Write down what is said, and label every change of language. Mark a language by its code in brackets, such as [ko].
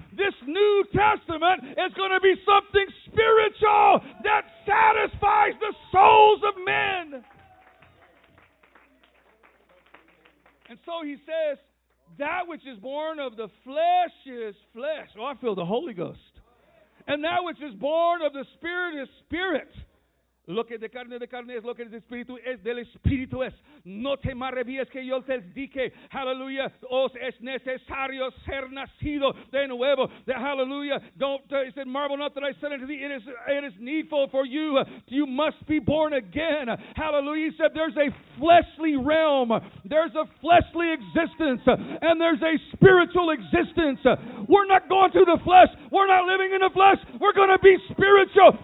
[en] This New Testament is going to be something spiritual that satisfies the souls of men. And so he says, that which is born of the flesh is flesh. Oh, I feel the Holy Ghost. And that which is born of the Spirit is spirit. [es] Lo que de carne es, lo que es del Espíritu es. No te maravillas que yo te dije, hallelujah, os es necesario ser nacido de nuevo. De, hallelujah. [en] He said, marvel not that I said unto thee, it is needful for you. You must be born again. Hallelujah. He said, there's a fleshly realm. There's a fleshly existence. And there's a spiritual existence. We're not going through the flesh. We're not living in the flesh. We're going to be spiritual.